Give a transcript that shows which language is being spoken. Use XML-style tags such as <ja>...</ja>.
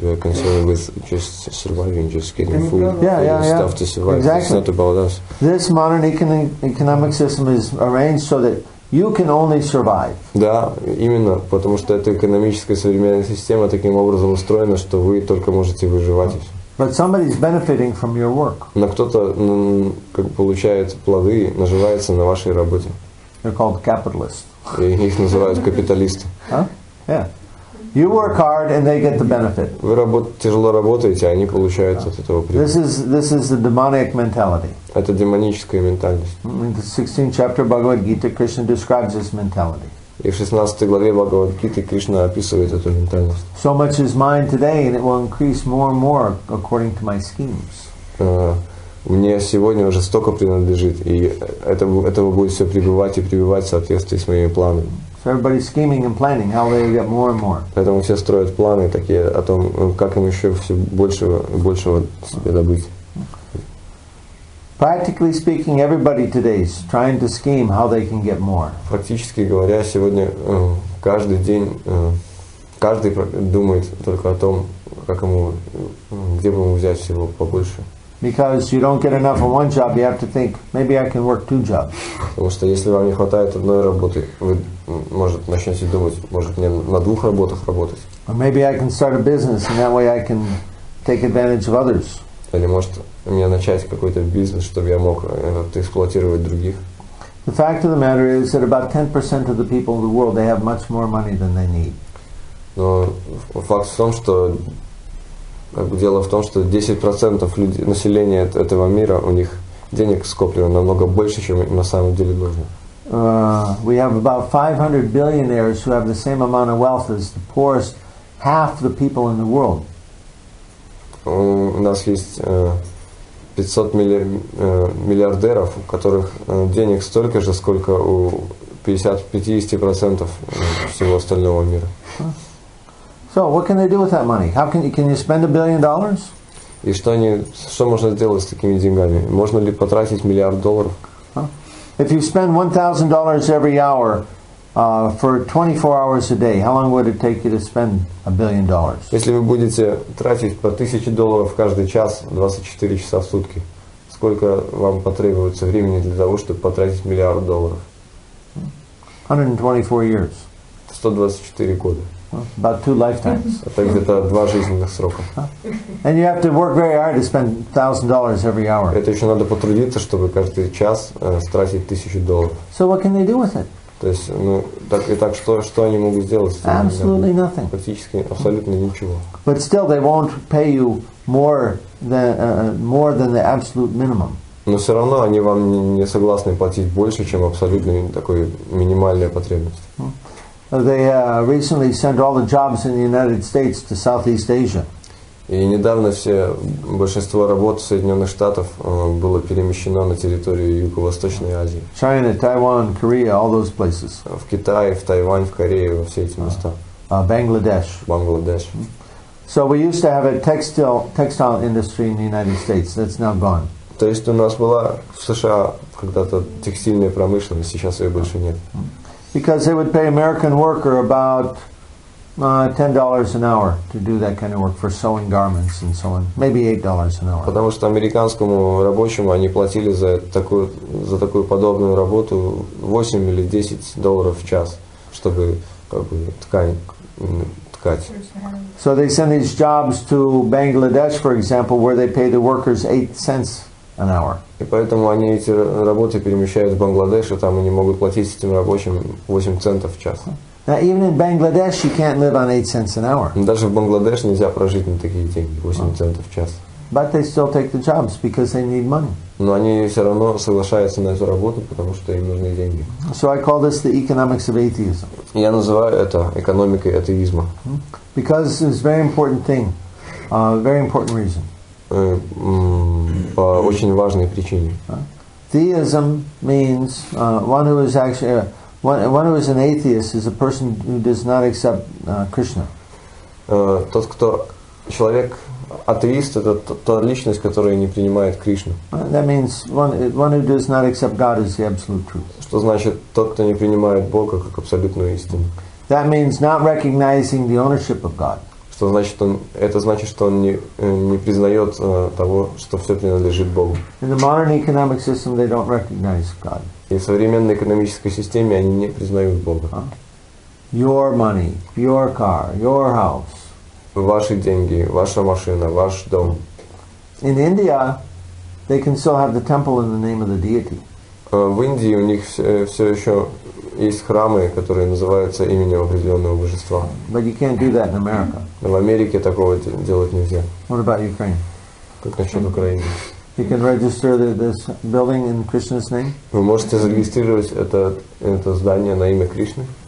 <en>We're concerned with just surviving, just getting food, stuff to survive. Exactly. It's not about us. This modern economic system is arranged so that you can only survive.</en> <ru>Да, именно, потому что эта экономическая современная система таким образом устроена, что вы только можете выживать.</ru> <en>But somebody's benefiting from your work.</en> <ru>Но кто-то как получает плоды, наживается на вашей работе.</ru> <en>They're called capitalists.</en> <ru>И их называют капиталисты.</ru> <en>Yeah. You work hard and they get the benefit.</en> <ru>Вы тяжело работаете, а они получают от этого прибыль.</ru> <en>This is the demonic mentality.</en> <ru>Это демоническая ментальность.</ru> <en>In the 16th chapter of Bhagavad Gita, Krishna describes this mentality.</en> <ru>И в 16 главе Бхагавад Гиты Кришна описывает эту ментальность.</ru> <en>So much is mine today and it will increase more and more according to my schemes.</en> <ru>Мне сегодня уже столько принадлежит, и этого будет все прибывать и прибывать в соответствии с моими планами.</ru> <en>So everybody's scheming and planning how they get more and more.</en> <ru>Поэтому все строят планы такие о том, как им еще все больше и больше себе добыть.</ru> <en>Practically speaking, everybody today is trying to scheme how they can get more.</en> <ru>Практически говоря, сегодня каждый день, каждый думает только о том, как ему, где бы ему взять всего побольше.</ru> <en>Because you don't get enough of one job, you have to think, maybe I can work two jobs.</en> <ru>Потому что если вам не хватает одной работы, вы, может, начнете думать, может, мне на двух работах работать.</ru> <en>Or maybe I can start a business, and that way I can take advantage of others.</en> <ru>Или может, мне начать какой-то бизнес, чтобы я мог эксплуатировать других.</ru> <en>The fact of the matter is that about 10% of the people in the world, they have much more money than they need.</en> <ru>Но факт в том, что дело в том, что 10% людей, населения этого мира, у них денег скоплено намного больше, чем на самом деле нужно.</ru> <en>We have about 500 billionaires who have the same amount of wealth as the poorest half the people in the world.</en> <ru>У нас есть 500 миллиардеров, у которых денег столько же, сколько у 50% всего остального мира.</ru> <en>So, what can they do with that money? How can you spend $1 billion?</en> <ru>И что можно сделать с такими деньгами? Можно ли потратить миллиард долларов?</ru> <en>If you spend $1,000 every hour for 24 hours a day, how long would it take you to spend $1 billion?</en> <ru>Если вы будете тратить по $1,000 каждый час, 24 часа в сутки, сколько вам потребуется времени для того, чтобы потратить миллиард долларов?</ru> <en>124 years.</en> <ru>124 года.</ru> <en>About two lifetimes.</en> <ru>Это где-то два жизненных срока.</ru> <en>And you have to work very hard to spend $1,000 every hour.</en> <ru>Это еще надо потрудиться, чтобы каждый час тратить $1,000.</ru> <en>So what can they do with it?</en> <ru>То есть, ну, так и так, что они могут сделать с этим?</ru> <en>Absolutely nothing.</en> <ru>Практически абсолютно ничего.</ru> <en>But still, they won't pay you more than the absolute minimum.</en> <ru>Но все равно они вам не согласны платить больше, чем абсолютная такая минимальная потребность.</ru> <en>They recently sent all the jobs in the United States to Southeast Asia.</en> <ru>И недавно все большинство работ Соединенных Штатов было перемещено на территорию Юго-Восточной Азии.</ru> <en>China, Taiwan, Korea, all those places.</en> <ru>В Китае, в Тайвань, в Корее, во все эти места.</ru> <en>Bangladesh.</en> <ru>Бангладеш.</ru> <en>So we used to have a textile industry in the United States. That's now gone.</en> <ru>То есть у нас была в США когда-то текстильная промышленность, сейчас ее больше нет.</ru> <en>Because they would pay American worker about $10 an hour to do that kind of work for sewing garments and so on. Maybe $8 an hour.</en> <ru>Потому что американскому рабочему они платили за такую подобную работу $8 or $10 в час, чтобы как бы ткать.</ru> <en>So they send these jobs to Bangladesh, for example, where they pay the workers 8 cents. An hour.</en> <ru>И поэтому они эти работы перемещают в Бангладеш, и там они могут платить этим рабочим 8 центов в час.</ru> <en>Now, even in Bangladesh, you can't live on 8 cents an hour.</en> <ru>Даже в Бангладеш нельзя прожить на такие деньги, 8 центов в час.</ru> <en>But they still take the jobs because they need money.</en> <ru>Но они все равно соглашаются на эту работу, потому что им нужны деньги.</ru> <en>So I call this the economics of atheism.</en> <ru>Я называю это экономикой атеизма.</ru> <en>Because it's a very important thing, a very important reason.</en> <ru>По очень важной причине.</ru> <en>Theism means one who is actually one who is an atheist is a person who does not accept Krishna.</en> <ru>Тот, кто человек атеист, это та личность, которая не принимает Кришну.</ru> <en>That means one who does not accept God is the absolute truth.</en> <ru>Что значит тот, кто не принимает Бога как абсолютную истину?</ru> <en>That means not recognizing the ownership of God.</en> <ru>Это значит, что он не признает того, что все принадлежит Богу.</ru> <en>In the modern economic system, they don't recognize God.</en> <ru>И в современной экономической системе они не признают Бога.</ru> <en>Your money, your car, your house.</en> <ru>Ваши деньги, ваша машина, ваш дом.</ru> <en>In India, they can still have the temple in the name of the deity.</en> <ru>В Индии у них все еще есть храмы, которые называются именем определенного божества.</ru> <en>But you can't do that in America.</en> <ru>В Америке такого делать нельзя.</ru> <en>What about Ukraine?</en> <ru>Как насчет Украины?</ru> <en>You can register this building in Krishna's name.</en> <ru>Вы можете зарегистрировать это здание на имя Кришны?</ru>